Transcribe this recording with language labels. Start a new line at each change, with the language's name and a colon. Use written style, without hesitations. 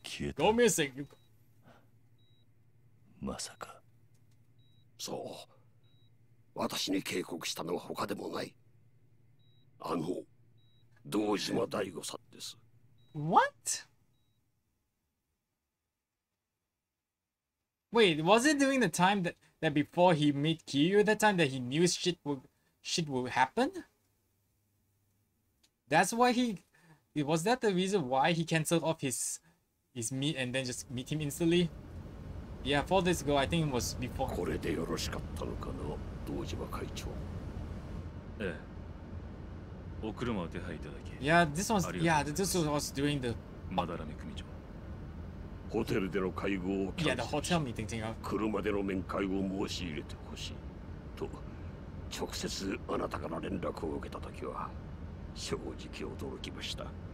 English: your... Go missing!
Japanese: まさか。そう。私に警告したのは他でもない。あの、堂島大吾さんです。
English: What? Wait, was it during the time that before he met Kiryu that time that he knew shit would happen? That's why he... Was that the reason why he cancelled off his meet and then just meet him instantly? Yeah, for this girl, I think it was before...
Japanese: これでよろしかったのかな、堂島会長。ええ。お車を手配いただき。
English: Yeah, this one's... Yeah, this was during the...
Japanese: マダラメ組長。ホテルでの会合をキャンセルし、
English: yeah, the hotel meeting,
Japanese: 車での面会を申し入れてほしいと直接あなたから連絡を受けたときは正直驚きました。